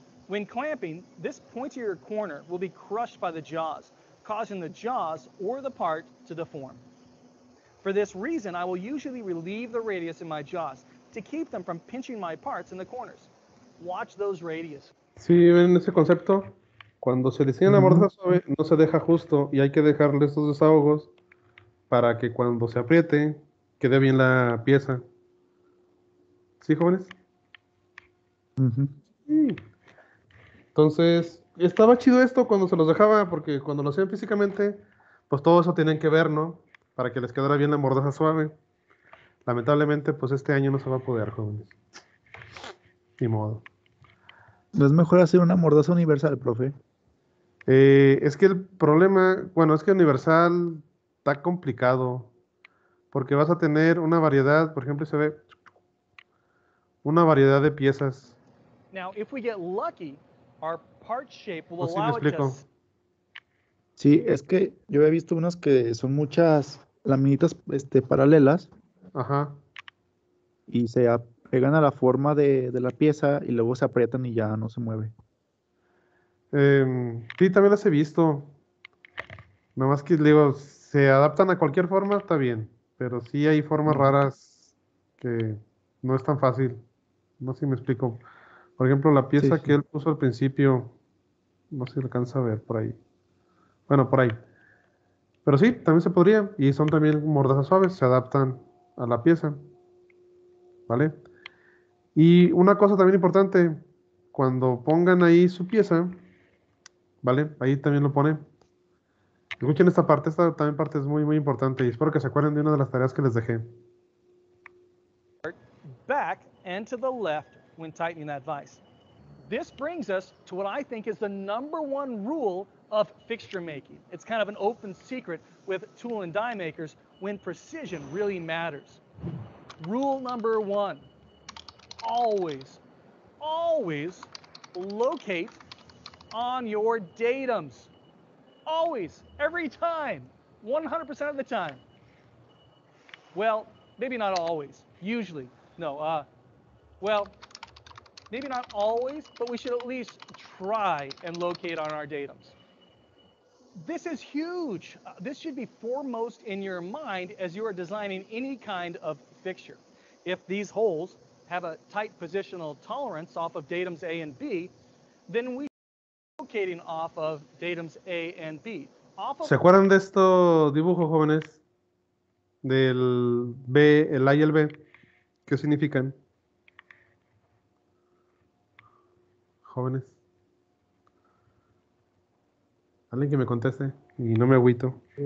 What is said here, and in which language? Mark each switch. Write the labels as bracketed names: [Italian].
[English] When clamping, this pointier corner will be crushed by the jaws, causing the jaws or the part to deform. For this reason, I will usually relieve the radius in my jaws to keep them from pinching my parts in the corners. Watch those radius. [Spanish] Sí, ven ese concepto. Cuando se diseña la mordaza suave, no se deja justo y hay que dejarle estos desahogos para que cuando se apriete, quede bien la pieza. ¿Sí, jóvenes? Uh-huh. Entonces, estaba chido esto cuando se los dejaba, porque cuando lo hacían físicamente, pues todo eso tienen que ver, ¿no? Para que les quedara bien la mordaza suave. Lamentablemente, pues este año no se va a poder, jóvenes. Ni modo. ¿No es mejor hacer una mordaza universal, profe? Es que el problema, bueno, es que universal está complicado. Porque vas a tener una variedad, por ejemplo, se ve una variedad de piezas. [English] Now, if we get lucky, our part shape will allow it to... [Spanish] Sí, es que yo he visto unas que son muchas laminitas paralelas. Ajá. Y se pegan a la forma de la pieza y luego se aprietan y ya no se mueve. Sí, también las he visto. Nada más que, digo, se adaptan a cualquier forma, está bien. Pero sí hay formas raras que no es tan fácil. No sé si me explico. Por ejemplo, la pieza que él puso al principio, no se alcanza a ver por ahí. Bueno, por ahí. Pero sí, también se podría. Y son también mordazas suaves, se adaptan a la pieza. ¿Vale? Y una cosa también importante, cuando pongan ahí su pieza, ¿vale? Ahí también lo pone. Escuchen esta también parte es muy, muy importante y espero que se acuerden de una de las tareas que les dejé. [English] Back and to the left when tightening that vise. This brings us to what I think is the number one rule of fixture making. It's kind of an open secret with tool and die makers when precision really matters. Rule number one, always, always locate on your datums. Always, every time, 100% of the time. Well, maybe not always, usually, no. Well, maybe not always, but we should at least try and locate on our datums. This is huge. This should be foremost in your mind as you are designing any kind of fixture. If these holes have a tight positional tolerance off of datums A and B, then we should be locating off of datums A and B. Off of [Spanish] ¿Se acuerdan de esto dibujo, jóvenes? Del B, el A y el B. ¿Qué significan? Jóvenes. Alguien que me conteste y no me agüito.